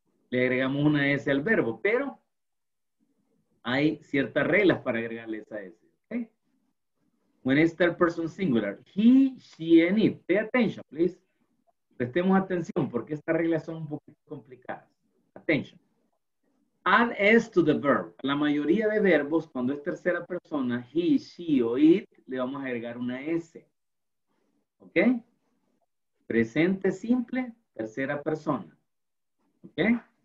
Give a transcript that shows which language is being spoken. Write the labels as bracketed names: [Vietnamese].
[Spanish] Le agregamos una S al verbo, pero hay ciertas reglas para agregarle esa S. [English] When it's third person singular, he, she, and it. Pay attention, please. [Spanish] Prestemos atención porque estas reglas son un poquito complicadas. Attention. [English] Add S to the verb. [Spanish] La mayoría de verbos, cuando es tercera persona, he, she, o it, le vamos a agregar una S. ¿Ok? Presente simple, tercera persona. ¿Ok?